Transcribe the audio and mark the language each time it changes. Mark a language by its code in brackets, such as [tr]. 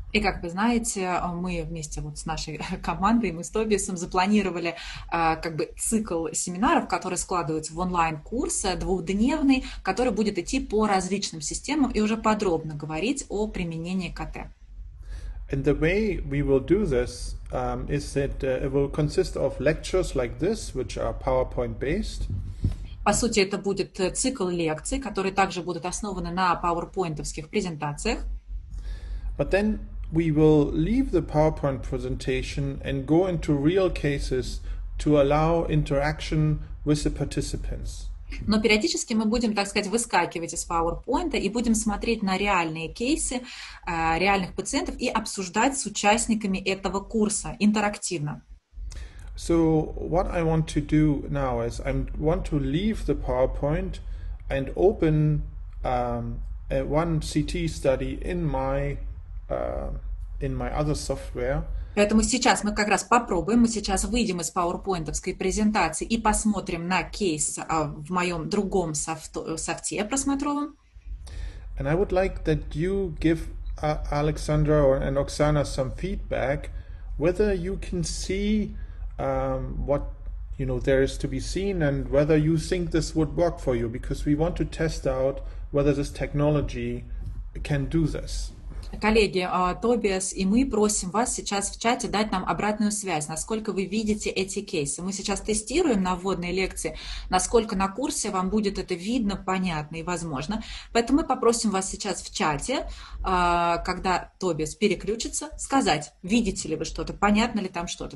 [ru] И как вы знаете, мы вместе вот с нашей командой, мы с Тобиасом запланировали как бы цикл семинаров, который складывается в онлайн-курс двухдневный, который будет идти по различным системам и уже подробно говорить о применении КТ. [en] And the way we will do this is that it will consist of lectures like this, which are PowerPoint-based. [ru] По сути, это будет цикл лекций, которые также будут основаны на PowerPoint-овских презентациях. [en] But then we will leave the PowerPoint presentation and go into real cases to allow interaction with the participants. [ru] Но периодически мы будем, так сказать, выскакивать из PowerPoint и будем смотреть на реальные кейсы реальных пациентов и обсуждать с участниками этого курса интерактивно. [en] So what I want to do now is I want to leave the PowerPoint and open one CT study in my other software. [ru] Поэтому сейчас мы как раз попробуем, мы сейчас выйдем из PowerPoint-овской презентации и посмотрим на кейс в моем другом софте просмотровом. [en] And I would like that you give Alexandra and Oksana some feedback, whether you can see what you know there is to be seen and whether you think this would work for you, because we want to test out whether this technology can do this. [ru] Коллеги, Тобиас и мы просим вас сейчас в чате дать нам обратную связь, насколько вы видите эти кейсы. Мы сейчас тестируем на вводной лекции, насколько на курсе вам будет это видно, понятно и возможно. Поэтому мы попросим вас сейчас в чате, когда Тобиас переключится, сказать, видите ли вы что-то, понятно ли там что-то.